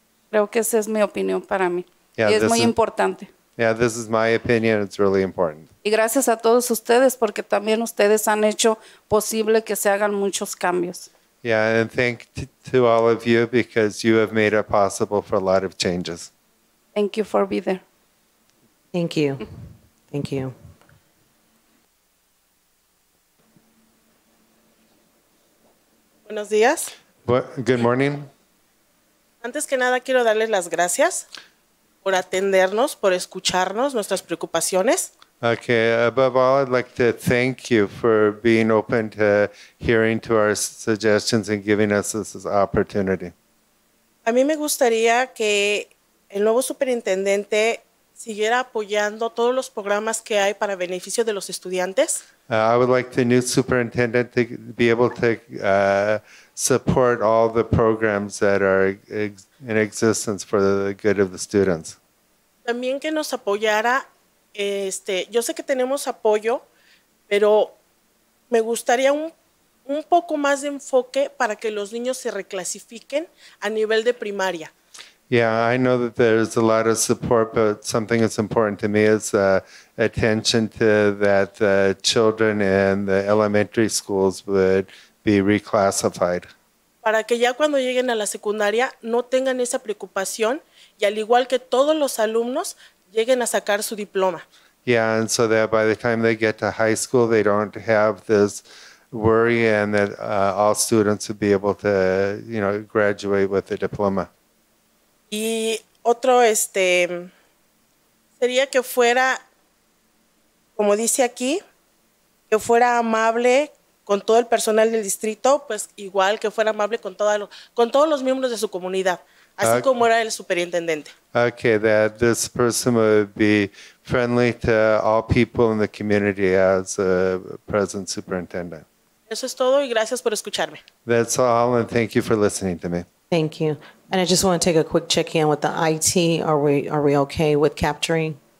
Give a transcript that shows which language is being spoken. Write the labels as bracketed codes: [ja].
[es] Creo que esa es mi opinión para mí. es muy importante. [en] Yeah, this is my opinion. It's really important. [es] Y gracias a todos ustedes porque también ustedes han hecho posible que se hagan muchos cambios. [en] Yeah, and thank you to all of you because you have made it possible for a lot of changes. Thank you for being there. Thank you. Thank you. [es] Buenos días. [en] Good morning. [es] Antes que nada quiero darles las gracias por atendernos, por escucharnos nuestras preocupaciones. [en] Okay, above all, I'd like to thank you for being open to hearing to our suggestions and giving us this opportunity. [es] A mí me gustaría que el nuevo superintendente siguiera apoyando todos los programas que hay para beneficio de los estudiantes. [en] I would like the new superintendent to be able to support all the programs that are in existence for the good of the students. [es] También que nos apoyara, yo sé que tenemos apoyo, pero me gustaría un poco más de enfoque para que los niños se reclasifiquen a nivel de primaria. [en] Yeah, I know that there's a lot of support, but something that's important to me is attention to that the children in the elementary schools would be reclassified. [es] Para que ya cuando lleguen a la secundaria no tengan esa preocupación y al igual que todos los alumnos lleguen a sacar su diploma. [en] Yeah, and so that by the time they get to high school they don't have this worry and that all students would be able to, you know, graduate with a diploma. [es] Y otro sería que fuera, como dice aquí, que fuera amable con todo el personal del distrito, pues igual que fuera amable con todos los miembros de su comunidad, así como era el superintendente. [en] Okay, that this person would be friendly to all people in the community as a present superintendent. [es] Eso es todo y gracias por escucharme. [en] That's all and thank you for listening to me. Thank you. And I just want to take a quick check-in with the IT. Are we okay with capturing?